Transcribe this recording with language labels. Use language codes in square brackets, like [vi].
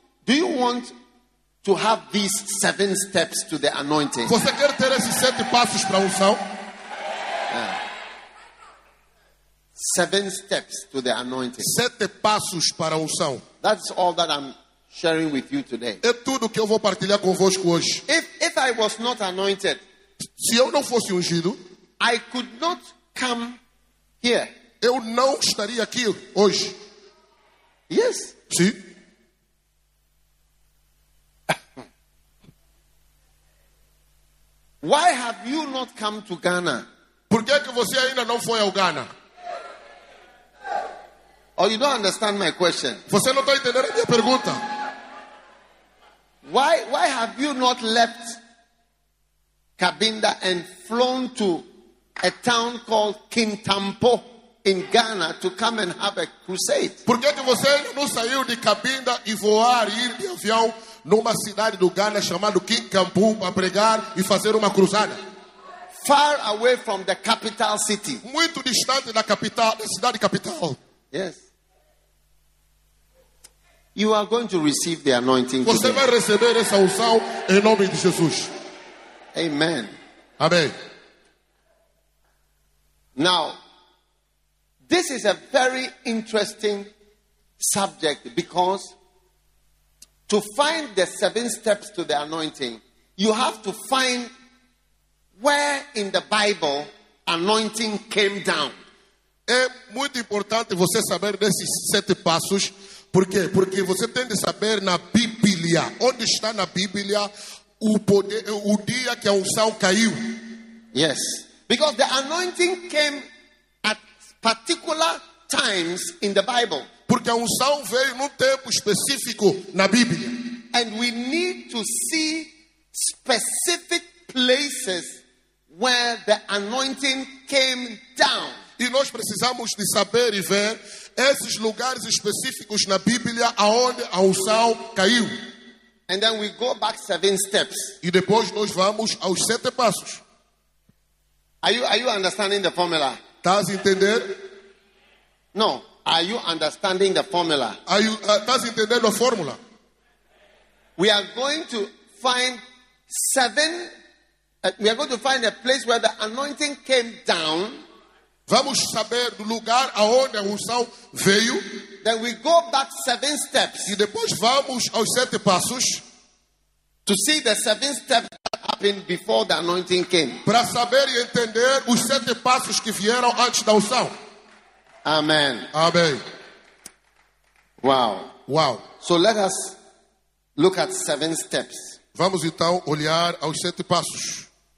[en] Do you want to have these seven steps to the anointing? [pt] Você quer ter esses sete passos para a unção? [en] Yeah. Seven steps to the anointing. [pt] Sete passos para a unção. [en] That's all that I'm sharing with you today. [pt] É tudo que eu vou partilhar convosco hoje. [en] If I was not anointed, [pt] se eu não fosse ungido, [en] I could not come here. [pt] Eu não estaria aqui hoje. [en] Yes. [pt] Sim. [en] Why have you not come to Ghana? [pt] Por que é que você ainda não foi ao Ghana? [en] Oh, you don't understand my question. [pt] Você não está entendendo a minha pergunta. [en] Why have you not left Cabinda and flown to a town called Kintampo in Ghana to come and have a crusade? [pt] Por que é que você não saiu de Cabinda e voar e ir de avião numa cidade do Ghana chamada Kintampo para pregar e fazer uma cruzada? [en] Far away from the capital city. [pt] Muito distante da capital, da cidade capital. [en] Yes. You are going to receive the anointing. [pt] Você [en] today. [pt] Vai receber essa unção em nome de Jesus. [en] Amen. [pt] Amém. [en] Now, this is a very interesting subject because to find the seven steps to the anointing, you have to find where in the Bible anointing came down. [pt] É muito importante você saber desses sete passos. Por quê? Porque você tem de saber na Bíblia. Onde está na Bíblia o poder, o dia que a unção caiu? [en] Yes. Because the anointing came at particular times in the Bible. [pt] Porque a unção veio num tempo específico na Bíblia. [en] And we need to see specific places where the anointing came down. [pt] E nós precisamos de saber e ver esses lugares específicos na Bíblia aonde a unção caiu. [en] And then we go back seven steps. [pt] E depois nós vamos aos sete passos. [en] Are you understanding the formula? [pt] Estás entender? [en] No. Are you understanding the formula? [pt] Estás entendendo a fórmula? [en] We are going to find seven. We are going to find a place where the anointing came down. [pt] Vamos saber do lugar aonde a unção veio. [en] Then we go back seven steps. [pt] E depois vamos aos sete passos. [en] To see the seven steps that happened before the anointing came. [pt] Para saber e entender os sete passos que vieram antes da unção. [en] Amen. [pt] Amém. Wow. Wow. [en] So let us look at seven steps. [pt] Vamos então olhar aos sete passos.